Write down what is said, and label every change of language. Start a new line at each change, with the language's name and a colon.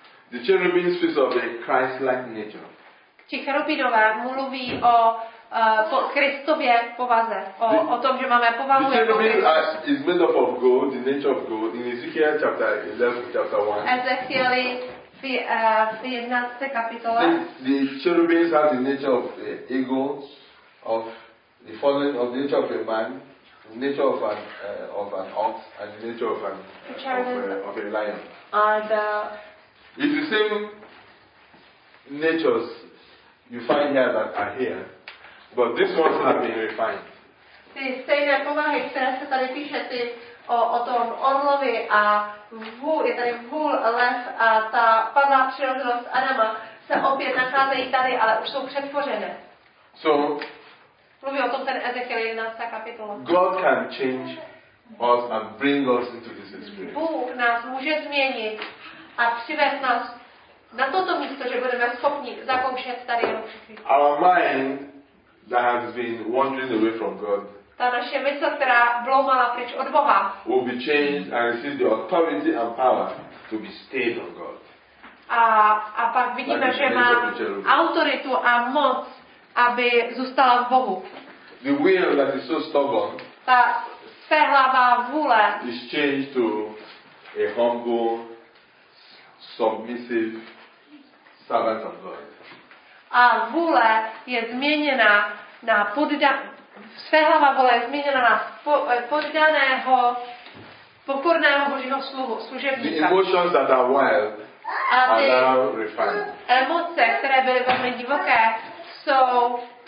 English: The cherubims speak of a Christ-like nature.
Czech: Ti cherubinové mluví o po Kristově povaze, o tom, že máme povahu jako Kristus.
English: Is made up of gold, the nature of gold, in Ezekiel chapter 11, chapter 1.
Czech: Ezekiel v 11. kapitole.
English: The cherubins have the nature of eagles, of the fallen, of the nature of a man, the nature of an ox, and the nature of an of a lion. It's the same natures you find here that are here. But this one has been refined.
Czech: Ty stejné povahy, které se tady píše, ty o tom orlovi a vůl, je tady vůl, lev a ta padlá přirozenost Adama se opět nacházejí tady, ale už jsou přetvořené.
English: So,
Czech: mluví o tom ten Ezekiel 11. kapitola.
English: God can change us and bring us into this experience.
Czech: Bůh nás může změnit a přivést nás na toto místo, že budeme schopni zakoušet tady.
English: Our mind that has been wandering away from God.
Czech: Ta naše mysl, která bloumala pryč od Boha.
English: Will be changed and receive the authority and power to be stayed on God.
Czech: A pak vidíme, že má autoritu a moc, aby zůstala v Bohu.
English: The will that is so stubborn.
Czech: Ta svéhlavá vůle.
English: Is changed to a humble, submissive servant of God.
Czech: A vůle je změněna na svéhlava vůle je změněna na poddaného pokorného Božího sluhu, služebníka.
English: The emotions that are wild are now refined.
Czech: Emoce, které byly velmi divoké, jsou